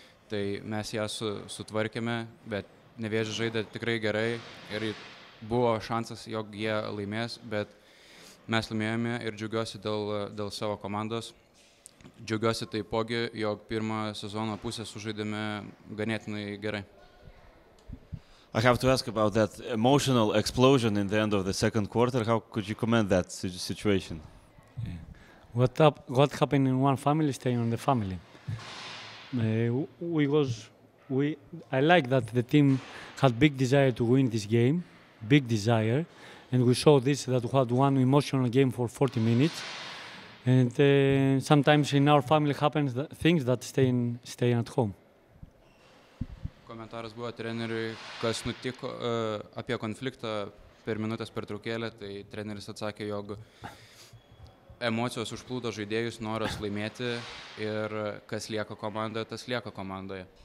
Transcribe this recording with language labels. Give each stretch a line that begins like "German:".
Lithuanian: tai mes ją sutvarkėme, bet Nevėžis žaidė tikrai gerai ir buvo šansas, jog jie laimės, bet mes laimėjome ir džiugiuosi dėl savo komandos. Džiugiuosi taipogi, jog pirmą sezono pusę sužaidėme ganėtinai gerai.
English: I have to ask about that emotional explosion in the end of the second quarter. How could you comment that situation? Yeah. What happened in one family staying on the family? I like that the team had big desire to win this game, big desire, and we saw this that we had one emotional game for 40 minutes. And sometimes in our family happens that things that stay at home.
Lithuanian: Komentaras buvo treneriui, kas nutiko apie konfliktą per minutės pertraukėlę, tai treneris atsakė, jog emocijos užplūdo žaidėjus, noras laimėti ir kas lieka komandoje, tas lieka komandoje.